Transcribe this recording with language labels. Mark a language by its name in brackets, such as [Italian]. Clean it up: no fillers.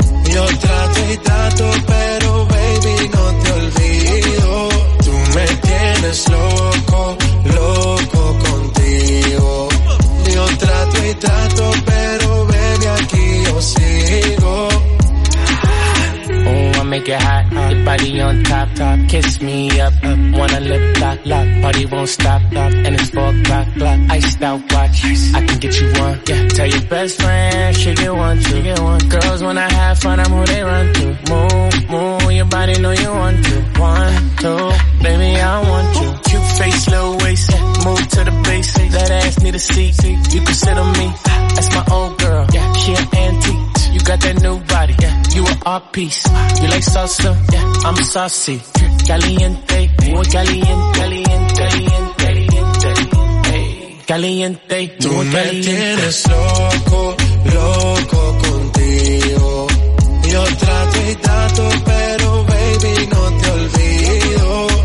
[Spanish] Yo trato y trato, pero baby, no te olvido. Tú me tienes loco, loco contigo. Yo trato y trato, pero baby, aquí yo sigo. [English] Make it hot, your body on top, top. Kiss me up, up. Wanna lip, lock, lock. Party won't stop, stop. And it's 4 o'clock, block. Iced out watch, I can get you one. Yeah, tell your best friend, she get one, she get one. Girls wanna have fun, I'm who they run to. Move, move, your body know you want to. One, two, baby, I want you. Cute face, little waist, yeah. Move to the basics. That ass need a seat, you can sit on me. That's my old girl, yeah, she an antique. You got that new body, yeah. You an art piece. You like salsa, yeah. I'm saucy. [Spanish] Caliente, muy caliente, caliente, caliente, caliente, caliente. Tú me tienes loco, loco contigo. Yo trato y trato, pero baby no te olvido.